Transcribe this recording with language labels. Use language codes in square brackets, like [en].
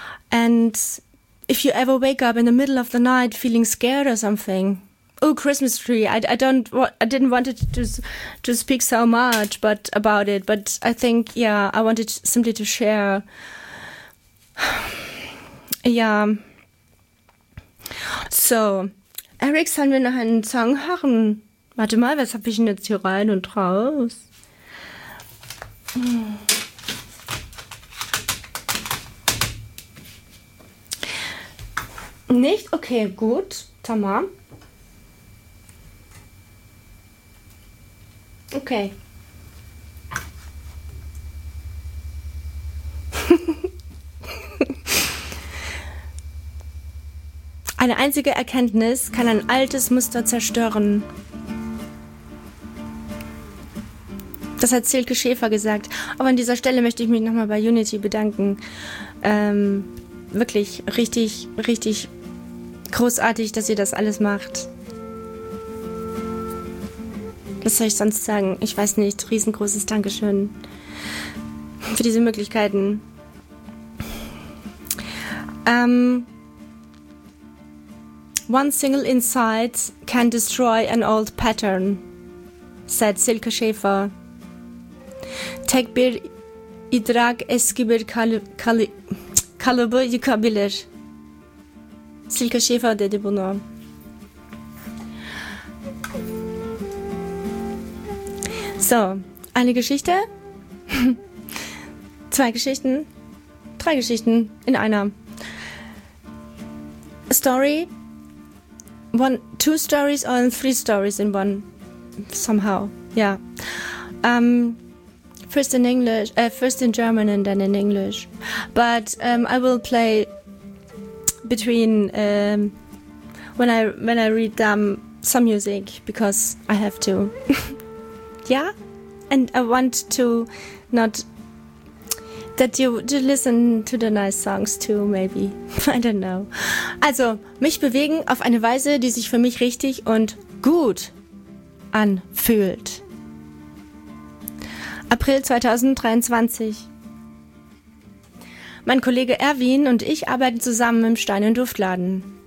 [en] And if you ever wake up in the middle of the night feeling scared or something, oh, Christmas tree, I didn't want to speak so much but about it, but I think, yeah, I wanted simply to share. Yeah. [de] So, Eric, sollen wir noch einen Song hören? Warte mal, was habe ich denn jetzt hier rein und raus? Nicht? Okay, gut. [tr] Tamam. [de] Okay. Eine einzige Erkenntnis kann ein altes Muster zerstören. Das hat Silke Schäfer gesagt. Aber an dieser Stelle möchte ich mich nochmal bei Unity bedanken. Wirklich richtig, richtig großartig, dass ihr das alles macht. Was soll ich sonst sagen? Ich weiß nicht. Riesengroßes Dankeschön für diese Möglichkeiten. [en] One single insight can destroy an old pattern, said Silke Schäfer. [tr] Tekbir idrak eski bir kalıbı yıkabilir. Silke Schäfer dedi bunu. [de] So, eine Geschichte, zwei Geschichten, drei Geschichten in einer. [en] A story, two stories or three stories in one, somehow, yeah. First in English, first in German and then in English. But I will play between, when I read them, some music, because I have to. Yeah? And I want to not, that you to listen to the nice songs too, maybe. I don't know. [de] Also, mich bewegen auf eine Weise, die sich für mich richtig und gut anfühlt. April 2023. Mein Kollege Erwin und ich arbeiten zusammen im Stein- und Duftladen.